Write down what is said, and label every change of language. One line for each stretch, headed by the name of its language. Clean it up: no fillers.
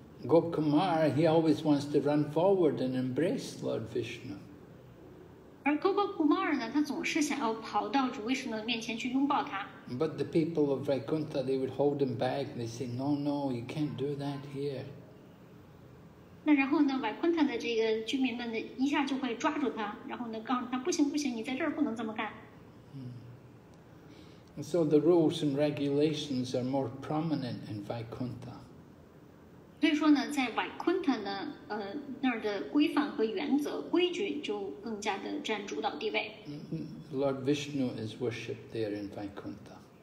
English: Gop Kumar, he always wants to run forward and embrace Lord Vishnu.
Chinese: 而 Gopal Kumar 呢，他总是想要跑到主 Vishnu 面前去拥抱他。
English: But the people of Vaikuntha, they would hold him back. They say, "No, no, you can't do that here."
Chinese: 那然后呢 ，Vaikuntha 的这个居民们呢，一下就会抓住他，然后呢，告诉他，不行不行，你在这儿不能这么干。
English: And so the rules and regulations are more prominent in Vaikuntha.
Chinese: 所以说呢，在 Vaikuntha 呢，那儿的规范和原则、规矩就更加的占主导地位。
English: Lord Vishnu is worshipped there in Vaikuntha.